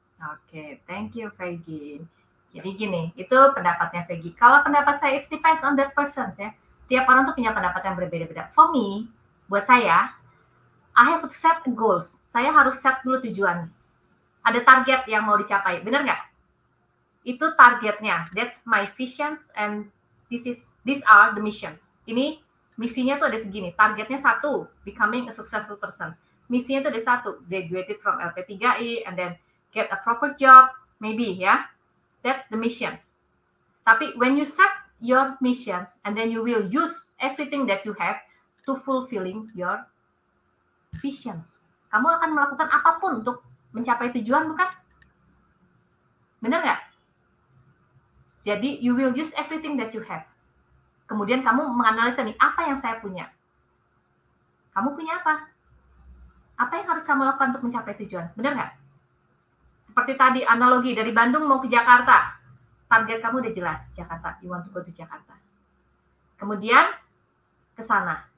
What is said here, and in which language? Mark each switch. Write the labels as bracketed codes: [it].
[en] Okay, thank you, [id] Peggy. Jadi gini, itu pendapatnya Peggy. Kalau pendapat saya, [en] it depends on that person, [id] ya. Tiap orang tuh punya pendapat yang berbeda-beda. [en] For me, [id] buat saya, [en] I have to set goals. [id] Saya harus set dulu tujuan. Ada target yang mau dicapai, benar nggak? Itu targetnya. [en] That's my visions and these are the missions. [id] Ini misinya tuh ada segini. Targetnya satu, [en] becoming a successful person. [id] Misinya tuh ada satu, [en] graduated from LP3I and then get a proper job, maybe ya. Yeah? That's the missions. Tapi when you set your missions and then you will use everything that you have to fulfilling your visions. [id] Kamu akan melakukan apapun untuk mencapai tujuan, bukan? Benar nggak? [en] Jadi you will use everything that you have. [id] Kemudian kamu menganalisa nih, apa yang saya punya? Kamu punya apa? Apa yang harus kamu lakukan untuk mencapai tujuan? Benar nggak? Seperti tadi analogi, dari Bandung mau ke Jakarta. Target kamu udah jelas, Jakarta. [en] You want to go to Jakarta. [id] Kemudian ke sana.